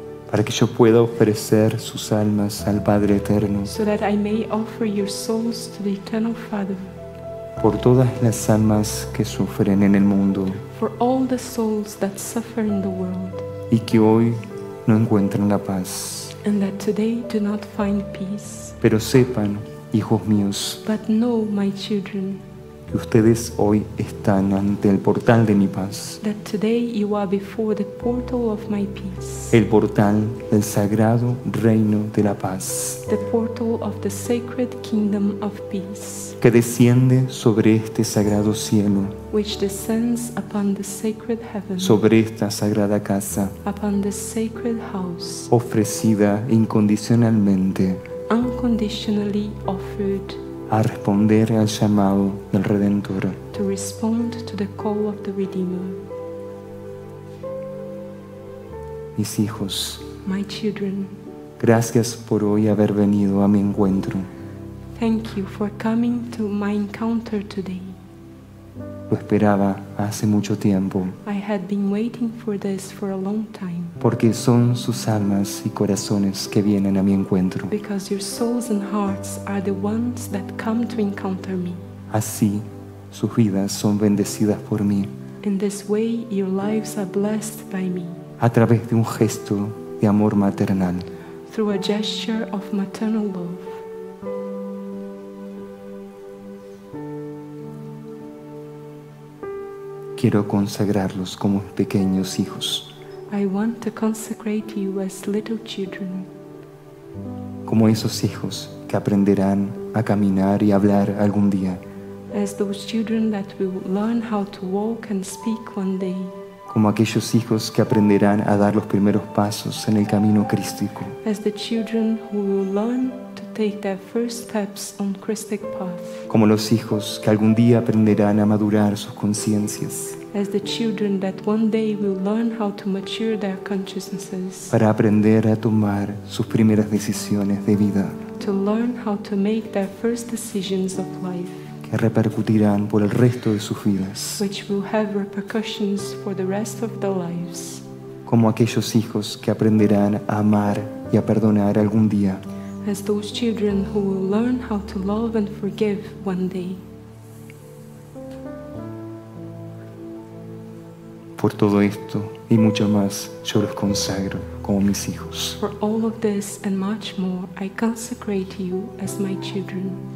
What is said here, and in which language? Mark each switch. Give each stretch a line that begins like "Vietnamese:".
Spanish: Para que yo pueda ofrecer sus almas al Padre Eterno.
English: So that I may offer your souls to the Eternal Father.
Spanish: Por todas las almas que sufren en el mundo.
English: For all the souls that suffer in the world.
Spanish: Y que hoy no encuentran la paz.
English: And that today do not find peace.
Spanish: Pero sepan, hijos míos.
English: But know, my children.
Spanish: Que ustedes hoy están ante el portal de mi paz.
English: That today you are before the portal of my peace.
Spanish: El portal del sagrado reino de la paz.
English: The portal of the sacred kingdom of peace.
Spanish: Que desciende sobre este sagrado cielo.
English: Which descends upon the sacred heaven.
Spanish: Sobre esta sagrada casa.
English: Upon the sacred house.
Spanish: Ofrecida incondicionalmente.
English: Unconditionally offered.
Spanish: A responder al llamado del Redentor.
English: To respond to the call of the Redeemer.
Spanish: Mis hijos.
English: My children.
Spanish: Gracias por hoy haber venido a mi encuentro.
English: Thank you for coming to my encounter today.
Spanish: Lo esperaba hace mucho tiempo.
English: I had been waiting for this for a long time.
Spanish: Porque son sus almas y corazones que vienen a mi encuentro.
English: Because your souls and hearts are the ones that come to encounter me.
Spanish: Así, sus vidas son bendecidas por mí.
English: In this way, your lives are blessed by me.
Spanish: A través de un gesto de amor maternal.
English: Through a gesture of maternal love.
Spanish: Quiero consagrarlos como pequeños hijos.
English: I want to consecrate you as little children.
Spanish: Como esos hijos que aprenderán a caminar y hablar algún día.
English: As those children that will learn how to walk and speak one day.
Spanish: Como aquellos hijos que aprenderán a dar los primeros pasos en el camino crístico.
English: As the children who will learn to take their first steps on Christic path.
Spanish: Como los hijos que algún día aprenderán a madurar sus conciencias.
English: As the children that one day will learn how to mature their consciousnesses.
Spanish: Para aprender a tomar sus primeras decisiones de vida.
English: To learn how to make their first decisions of life.
Spanish: Que repercutirán por el resto de sus vidas.
English: Which will have repercussions for the rest of their lives.
Spanish: Como aquellos hijos que aprenderán a amar y a perdonar algún día.
English: As those children who will learn how to love and forgive one day.
Spanish: Por todo esto y mucho más, yo los consagro como mis hijos.
English: For all of this and much more, I consecrate you as my children.